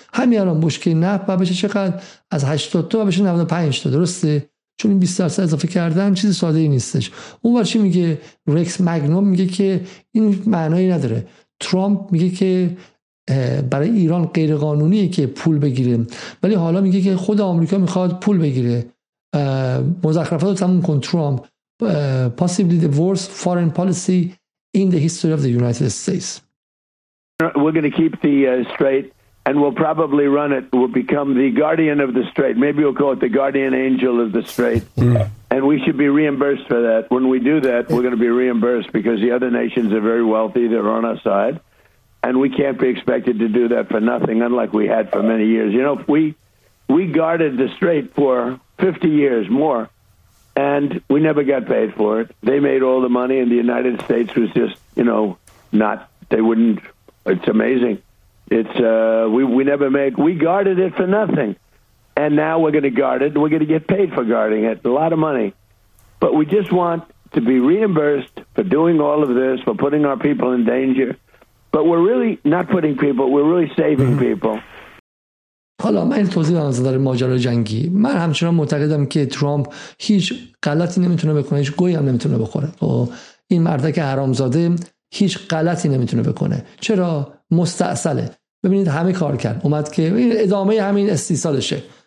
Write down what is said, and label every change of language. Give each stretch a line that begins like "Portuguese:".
Persian: همین الان بشکه نفت باید بشه چقدر؟ از 80 تا بشه 95 تا، درسته؟ چون این 20% اضافه کردن چیز ساده ای نیستش. اون وقت چی میگه؟ رکس مگنوم میگه که این معنی نداره. ترامپ میگه که برای ایران غیر قانونیه که پول بگیره، ولی حالا میگه که خود آمریکا میخواد پول بگیره. مزخرفات رو تموم کن ترامپ.
English: Possibly the worst foreign policy in the history of the United States. We're going to keep the straight and will probably run it, will become the guardian of the strait. Maybe we'll call it the guardian angel of the strait. And we should be reimbursed for that. When we do that, we're going to be reimbursed because the other nations are very wealthy. They're on our side. And we can't be expected to do that for nothing, unlike we had for many years. You know, we guarded the strait for 50 years more, and we never got paid for it. They made all the money, and the United States was just, you know, not, they wouldn't, it's amazing. It's, we guarded it for nothing. And now we're going to guard it, and we're going to get paid for guarding it, a lot of money. But we just want to be reimbursed for doing all of this, for putting our people in danger. But we're really not putting people, we're really saving people.
Persian: حالا من توضیح دادم از نظر ماجرای جنگی. من همچنان معتقدم که ترامپ هیچ غلطی نمیتونه بکنه، هیچ گویی هم نمیتونه بخوره. خب این مرده که حرامزاده هیچ غلطی نمیتونه بکنه. چرا؟ مستأصله. ببینید همه کار کرد. اومد که ادامه همین استیصالشه.